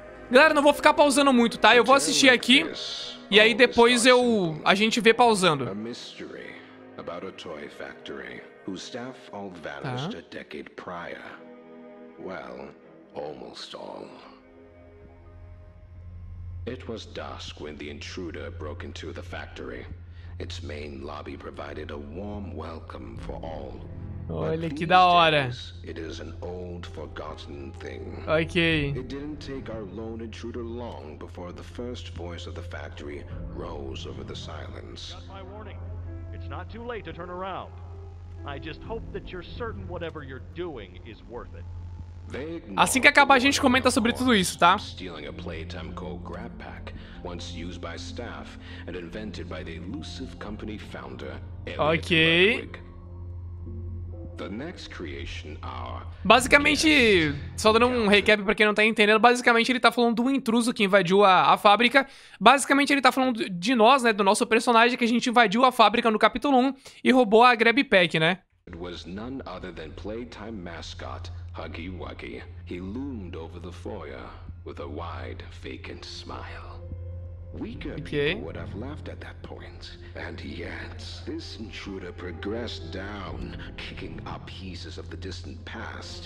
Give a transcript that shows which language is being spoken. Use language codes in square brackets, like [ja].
[pt] Galera, não vou ficar pausando muito, tá? Eu vou assistir aqui. E aí depois a gente vê pausando. Um mistério sobre uma fábrica de juguetes, cujo staff [en] all vanished a decade prior. Well, almost all. It was dusk when the intruder broke into the factory. Its main lobby provided a warm welcome for all. [pt] Olha que da hora. [en] It is an old forgotten thing. Okay. It didn't take our lone intruder long before the first voice of the factory rose over the silence. That's my warning. It's not too late to turn around. I just hope that you're certain whatever you're doing is worth it. [pt] Assim que acabar, a gente comenta sobre tudo isso, tá? [en] Stealing a playtime called Grab Pack, once used by staff and invented by the elusive company founder. Okay. The next creation hour. [pt] Basicamente, só dando um recap pra quem não tá entendendo, basicamente ele tá falando do intruso que invadiu a fábrica. Basicamente ele tá falando de nós, né, do nosso personagem que a gente invadiu a fábrica no capítulo 1 e roubou a Grab Pack, né? [en] It was none other than playtime mascot Huggy Wuggy. He loomed over the foyer with a wide, vacant smile. Weaker people would have laughed at that point. And yet, this intruder progressed down, kicking up pieces of the distant past.